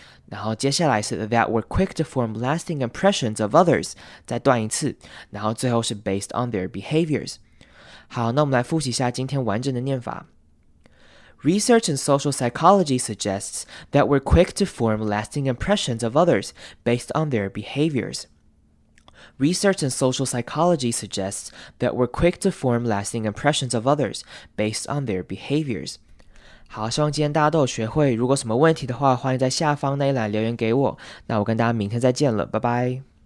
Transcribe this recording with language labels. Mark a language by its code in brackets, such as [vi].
[zh] 然后接下来是 [en] that were quick to form lasting impressions of others. [zh] 再断一次。然后最后是 [en] based on their behaviors. [zh] 好，那我们来复习一下今天完整的念法。 [en] Research in social psychology suggests that we're quick to form lasting impressions of others based on their behaviors. Research in social psychology suggests that we're quick to form lasting impressions of others based on their behaviors. [zh] 好，希望今天大家都有学会。如果什么问题的话，欢迎在下方那一栏留言给我。那我跟大家明天再见了，拜拜。